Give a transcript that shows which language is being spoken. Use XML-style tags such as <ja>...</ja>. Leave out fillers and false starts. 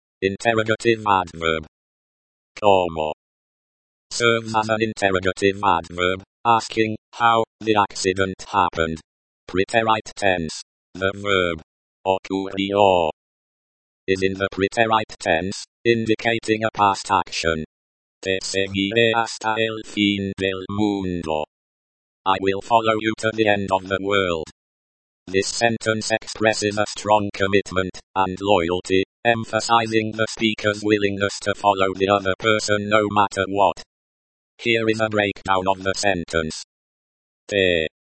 <en>Interrogative adverb. Como. Serves as an interrogative adverb, asking how the accident happened. Preterite tense. The verb. Ocurrió. Is in the preterite tense, indicating a past action.</en> <es>Te seguiré hasta el fin del mundo.</es> <en>I will follow you to the end of the world. This sentence expresses a strong commitment and loyalty, emphasizing the speaker's willingness to follow the other person no matter what. Here is a breakdown of the sentence. Te.</en>